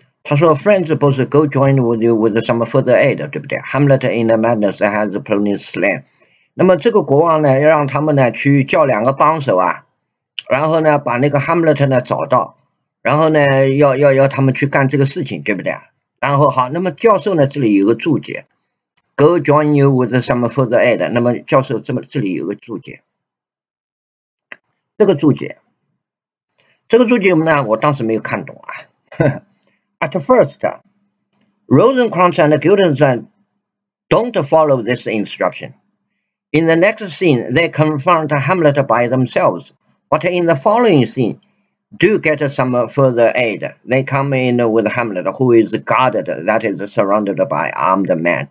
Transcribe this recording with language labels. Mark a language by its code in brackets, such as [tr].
[zh] 他说：“ [en] Friends, suppose go join with you with some further aid， [zh] 对不对？” [en] Hamlet in the madness has plainly slain。 [zh] 那么这个国王呢，要让他们呢去叫两个帮手啊，然后呢把那个 Hamlet 呢找到，然后呢要他们去干这个事情，对不对？然后好，那么教授呢这里有个注解： [en] “Go join you with some further aid。” [zh] 那么教授这里有个注解，这个注解呢，我当时没有看懂啊。 [en] At first, Rosencrantz and Guildenstern don't follow this instruction. In the next scene, they confront Hamlet by themselves. But in the following scene, do get some further aid. They come in with Hamlet, who is guarded, that is surrounded by armed men.